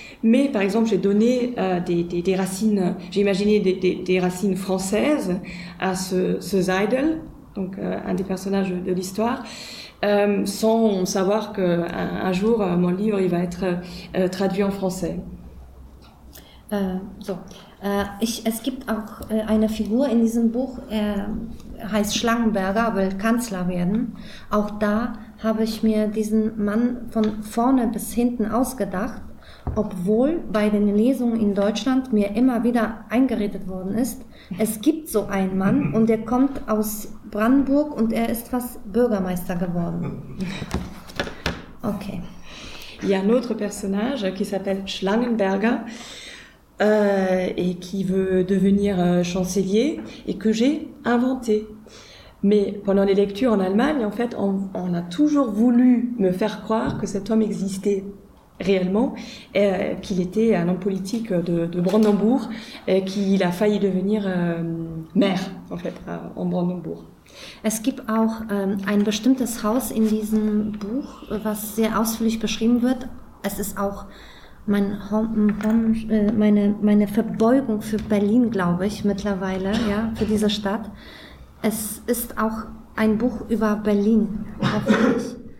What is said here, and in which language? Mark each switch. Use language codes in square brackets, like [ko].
[fr] Mais, par exemple, j'ai donné des racines, j'ai imaginé des racines françaises à ce Seidel, donc un des personnages de l'histoire, sans savoir qu'un jour, mon livre, il va être traduit en français. [de] Es gibt auch eine Figur in diesem Buch, er heißt Schlangenberger, will Kanzler werden. Auch da habe ich mir diesen Mann von vorne bis hinten ausgedacht, obwohl bei den Lesungen in Deutschland mir immer wieder eingeredet worden ist, es gibt so einen Mann und der kommt aus Brandenburg und er ist fast Bürgermeister geworden. Okay. [fr] Il y a un autre personnage qui s'appelle Schlangenberger et qui veut devenir chancelier et que j'ai inventé. Mais pendant les lectures en Allemagne, en fait, on a toujours voulu me faire croire que cet homme existait réellement, qu'il était un homme politique de Brandenbourg et qu'il a failli devenir maire, en fait, en Brandenbourg. [de] Es gibt auch ein bestimmtes Haus in diesem Buch, was sehr ausführlich beschrieben wird. Es ist auch meine Verbeugung für Berlin, glaube ich, mittlerweile, ja, für diese Stadt. Es ist auch ein Buch über Berlin, hoffentlich.